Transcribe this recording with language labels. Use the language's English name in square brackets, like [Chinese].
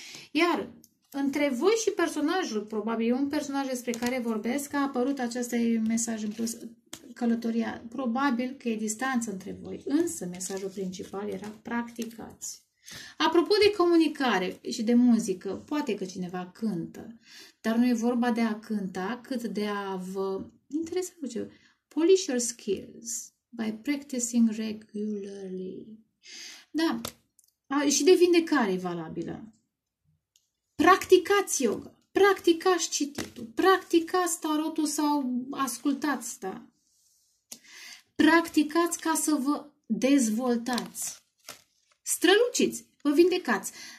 [Romanian] Iar între voi și personajul, probabil un personaj despre care vorbesc, a apărut acest mesaj în plus, călătoria. Probabil că e distanță între voi, însă mesajul principal era practicați. Apropo de comunicare și de muzică, poate că cineva cântă, dar nu e vorba de a cânta, cât de a vă... Interesant, [English] polish your skills by practicing regularly. [Romanian] Da. Și de vindecare valabilă. Practicați yoga. Practicați cititul. Practicați tarotul sau ascultați, da. Practicați ca să vă dezvoltați. Străluciți. Vă vindecați.